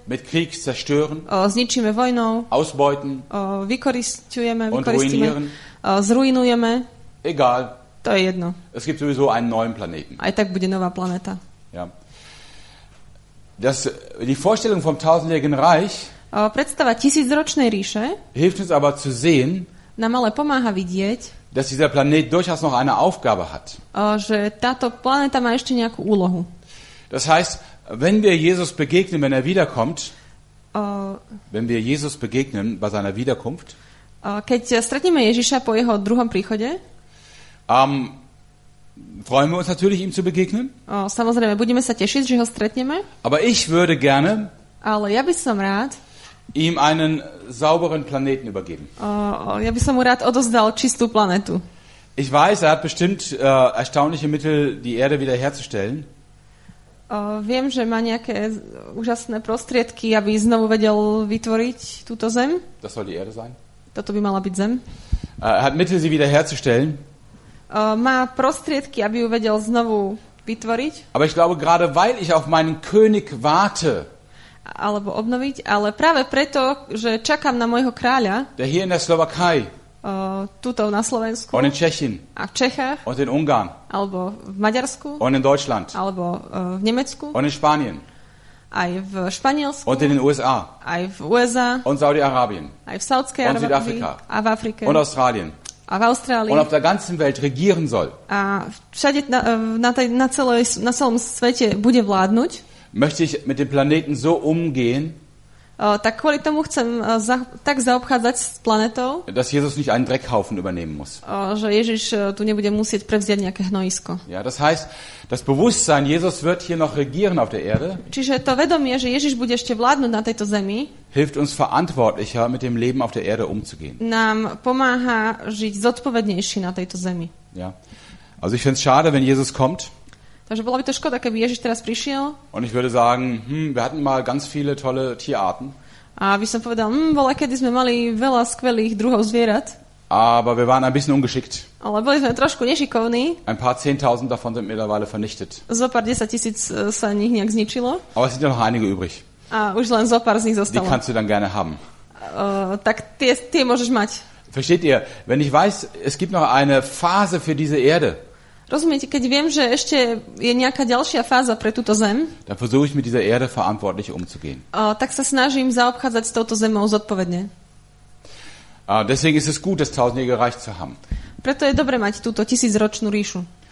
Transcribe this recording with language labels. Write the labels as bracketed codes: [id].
[de] mit Krieg zerstören, [sk] zničíme vojnou, [de] ausbeuten, [sk] vykoristujeme, [de] und ruinieren, [sk] zrujnujeme, [de] egal, [sk] to je jedno. [de] Es gibt sowieso einen neuen Planeten. [sk] Aj tak bude nová planéta. [de] Ja. Die Vorstellung vom tausendjährigen Reich, [sk] predstava tisícročnej ríše, [de] hilft uns aber zu sehen, [sk] nám ale pomáha vidieť, [de] dass dieser Planet durchaus noch eine Aufgabe hat. [sk] Že táto planéta má ešte nejakú úlohu. [de] Das heißt, wenn wir Jesus begegnen, wenn er wiederkommt, wenn wir Jesus begegnen bei seiner Wiederkunft, [sk] keď stretneme Ježiša po jeho druhom príchode, [de] freuen wir uns natürlich, ihm zu begegnen. [sk] Samozrejme, budeme sa tešiť, že ho stretneme. [de] Aber ich würde gerne, [sk] ale ja by som rád, [de] ihm einen sauberen Planeten übergeben. [sk] Ja by som mu rád odozdal čistú planetu. [de] Ich weiß, er hat bestimmt erstaunliche Mittel, die Erde wieder herzustellen. [sk] Viem, že má nejaké úžasné prostriedky, aby znovu vedel vytvoriť túto zem. [de] Das soll die Erde sein. [sk] Toto by mala byť zem. [de] Er hat Mittel, sie wieder herzustellen. [sk] Má prostriedky, aby ju vedel znovu vytvoriť. [de] Aber ich glaube, gerade weil ich auf meinen König warte, [sk] alebo obnoviť, ale práve preto, že čakám na môjho kráľa, [de] der hier in der Slowakei, [sk] tuto na Slovensku, [de] und in Tschechien, [sk] a v Čechách, [de] und in Ungarn, [sk] alebo v Maďarsku, [de] und in Deutschland, [sk] alebo v Nemecku, [de] und in Spanien, [sk] aj v Španielsku, [de] und in den USA, [sk] aj v USA, [de] und Saudi-Arabien, [sk] aj v Saudskej Arabii, [de] und Südafrika, [sk] a v Afrike, [de] und Australien, [sk] a v Austrálii, [de] und auf der ganzen Welt regieren soll, [sk] a všade na celom svete bude vládnuť, [de] möchte ich mit dem Planeten so umgehen, [sk] tak kvôli tomu chcem tak zaobchádzať s planetou, [de] dass Jesus nicht einen Dreckhaufen übernehmen muss. [sk] Že Ježiš tu nebude musieť prevziať nejaké hnojisko. [de] Ja, das heißt, das Bewusstsein, Jesus wird hier noch regieren auf der Erde, [sk] čiže to vedomie, že Ježiš bude ešte vládnuť na tejto zemi, [de] hilft uns verantwortlicher, mit dem Leben auf der Erde umzugehen. [sk] Nám pomáha žiť zodpovednejšie na tejto zemi. [de] Ja. Also ich find's schade, wenn Jesus kommt. [sk] Takže bola by to škoda, keby Ježiš teraz prišiel. [de] Und ich würde sagen, wir hatten mal ganz viele tolle Tierarten. [sk] A by som povedal, bola kedy sme mali veľa skvelých druhov zvierat. [de] Aber wir waren ein bisschen ungeschickt. [sk] Ale boli sme trošku nešikovní. [de] Ein paar 10.000 davon sind mittlerweile vernichtet. [sk] Zo pár 10.000 sa nich nejak zničilo. [de] Aber es sind ja noch einige übrig. [sk] A už len zo pár z nich zostalo. [de] Die kannst du dann gerne haben. [sk] Tak tie môžeš mať. [de] Versteht ihr? Wenn ich weiß, es gibt noch eine Phase für diese Erde, [sk] rozumiete, keď viem, že ešte je nejaká ďalšia fáza pre túto zem, [de] dann versuche ich mit dieser Erde verantwortlich umzugehen. [sk] Tak sa snažím zaobchádzať s touto zemou zodpovedne. [de] Deswegen ist es gut, das tausendjährige Reich zu haben. [sk] Preto je dobre mať túto tisícročnú ríšu.